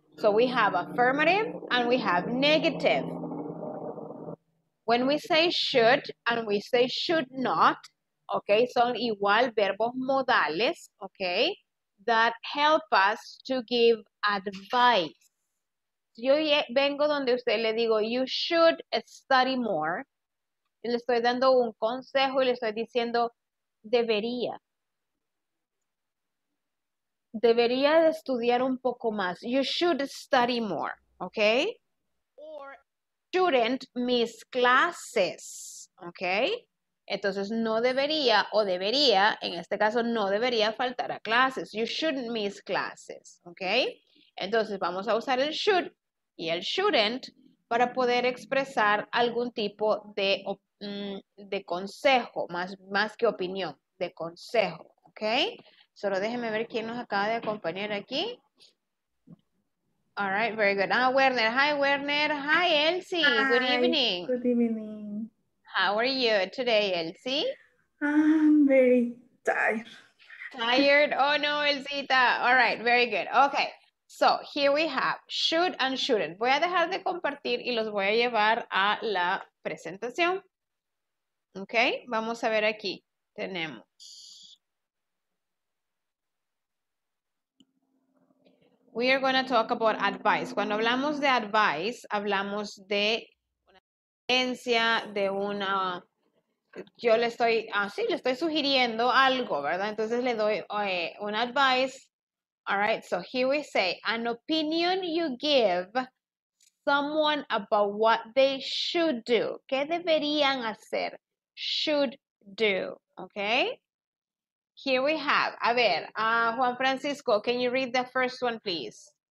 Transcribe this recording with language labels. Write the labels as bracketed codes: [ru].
[en] So we have affirmative and we have negative. When we say should and we say should not, okay, [es] son igual verbos modales, [en] okay, that help us to give advice. [es] Yo vengo donde usted le digo, [en] you should study more. [es] Y le estoy dando un consejo y le estoy diciendo, debería. Debería de estudiar un poco más. [en] You should study more, okay? Or shouldn't miss classes, okay? [es] Entonces, no debería o debería, en este caso, no debería faltar a clases. [en] You shouldn't miss classes, okay? [es] Entonces, vamos a usar el should y el shouldn't para poder expresar algún tipo de consejo, más que opinión, de consejo, okay? Solo déjeme ver quién nos acaba de acompañar aquí. [en] All right, very good. Ah, Werner. Hi, Werner. Hi, Elsie. Hi. Good evening. Good evening. How are you today, Elsie? I'm very tired. Tired? Oh, no, Elsita. All right, very good. Okay, so here we have should and shouldn't. [es] Voy a dejar de compartir y los voy a llevar a la presentación. Okay, vamos a ver aquí. Tenemos. [en] We are going to talk about advice. [es] Cuando hablamos de advice, hablamos de una sugerencia, de una, yo le estoy, sí, le estoy sugiriendo algo, ¿verdad? Entonces le doy un advice. [en] All right, so here we say, an opinion you give someone about what they should do. [es] ¿Qué deberían hacer? [en] Should do, okay? Here we have, [es] a ver, [en] Juan Francisco, can you read the first one, please?